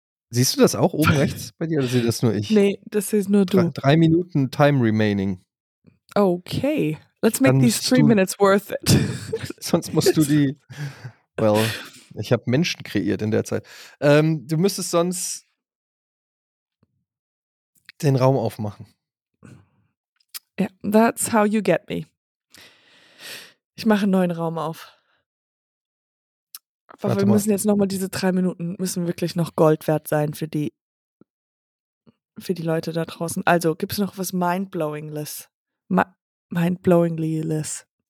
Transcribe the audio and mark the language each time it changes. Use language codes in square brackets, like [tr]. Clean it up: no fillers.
[de] Siehst du das auch oben rechts bei dir oder sehe das nur ich? Nee, das ist nur du. [en] 3 Minuten Time remaining. Okay, let's make these 3 minutes worth it. [de] Sonst musst du die, ich habe Menschen kreiert in der Zeit. Du müsstest sonst den Raum aufmachen. [en] Yeah, that's how you get me. [de] Ich mache einen neuen Raum auf. Aber wir müssen jetzt nochmal diese 3 Minuten, müssen wirklich noch Gold wert sein für die Leute da draußen. Also, gibt es noch was Mindblowingless? Mindblowingly-less?